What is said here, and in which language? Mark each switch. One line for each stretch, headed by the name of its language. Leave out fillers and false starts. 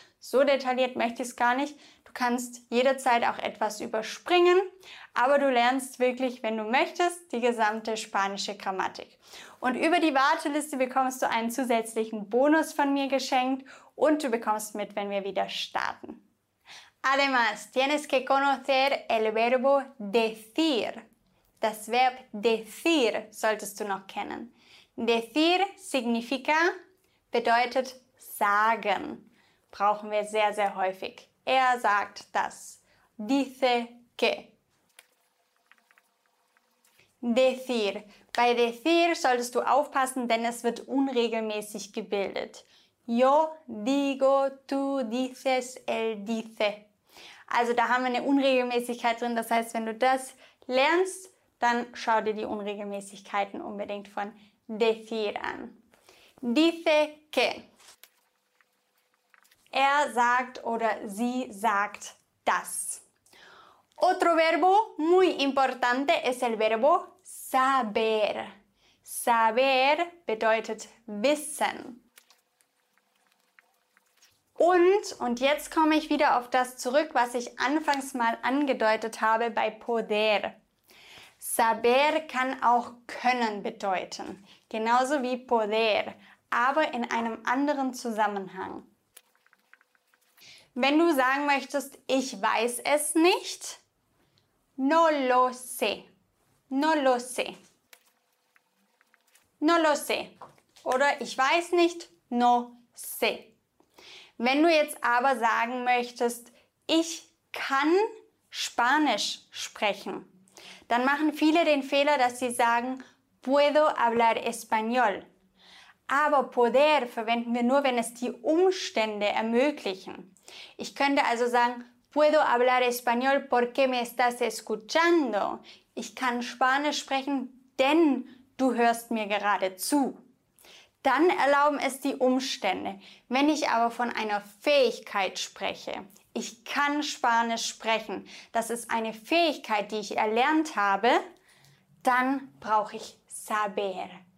German: so detailliert möchte ich es gar nicht, du kannst jederzeit auch etwas überspringen, aber du lernst wirklich, wenn du möchtest, die gesamte spanische Grammatik. Und über die Warteliste bekommst du einen zusätzlichen Bonus von mir geschenkt und du bekommst mit, wenn wir wieder starten.
Spanish: Además, tienes que conocer el verbo decir.
German: Das Verb decir solltest du noch kennen. Decir significa, bedeutet sagen. Brauchen wir sehr, sehr häufig. Er sagt das.
Spanish: Dice que.
German: Decir. Bei decir solltest du aufpassen, denn es wird unregelmäßig gebildet.
Spanish: Yo digo, tú dices, él dice.
German: Also da haben wir eine Unregelmäßigkeit drin. Das heißt, wenn du das lernst, dann schau dir die Unregelmäßigkeiten unbedingt von decir an.
Spanish: Dice que.
German: Er sagt oder sie sagt das.
Spanish: Otro verbo muy importante es el verbo saber.
German: Saber bedeutet wissen. Und jetzt komme ich wieder auf das zurück, was ich anfangs mal angedeutet habe bei poder. Saber kann auch können bedeuten, genauso wie poder, aber in einem anderen Zusammenhang. Wenn du sagen möchtest, ich weiß es nicht,
Spanish: no lo sé, no lo sé,
German: no lo sé, oder ich weiß nicht,
Spanish: no sé.
German: Wenn du jetzt aber sagen möchtest, ich kann Spanisch sprechen, dann machen viele den Fehler, dass sie sagen,
Spanish: puedo hablar español.
German: Aber poder verwenden wir nur, wenn es die Umstände ermöglichen. Ich könnte also sagen,
Spanish: puedo hablar español porque me estás escuchando.
German: Ich kann Spanisch sprechen, denn du hörst mir gerade zu. Dann erlauben es die Umstände. Wenn ich aber von einer Fähigkeit spreche, ich kann Spanisch sprechen, das ist eine Fähigkeit, die ich erlernt habe, dann brauche ich saber.